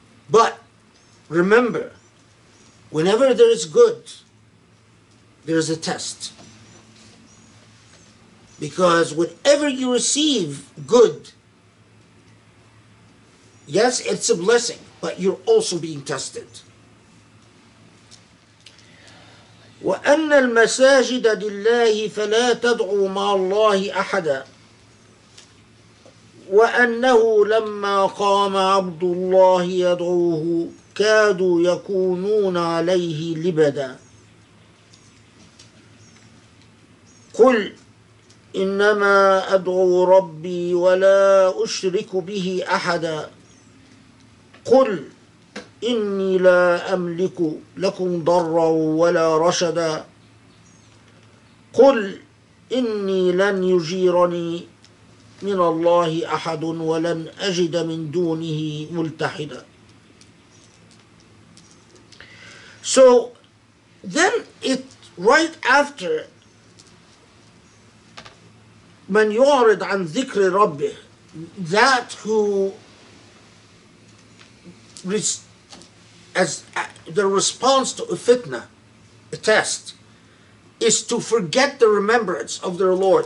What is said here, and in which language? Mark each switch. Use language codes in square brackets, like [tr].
[en] But remember, whenever there is good, there is a test. Because whenever you receive good, yes, it's a blessing, but you're also being tested. [ar] وَأَنَّ الْمَسَاجِدَ لِلَّهِ فَلَا تَدْعُوا مَعَ اللَّهِ أَحَدًا وَأَنَّهُ لَمَّا قَامَ عَبْدُ اللَّهِ يَدْعُوهُ كَادُوا يَكُونُونَ عَلَيْهِ لِبَدًا قُلْ إنما أدعو ربي ولا أشرك به أحدا قل إني لا أملك لكم ضرا ولا رشدا قل إني لن يجيرني من الله أحد ولن أجد من دونه ملتحدا. [en] So then it right after [ar] من يعرض عن ذكر ربه, [en] that who, as the response to a fitna, a test, is to forget the remembrance of their Lord.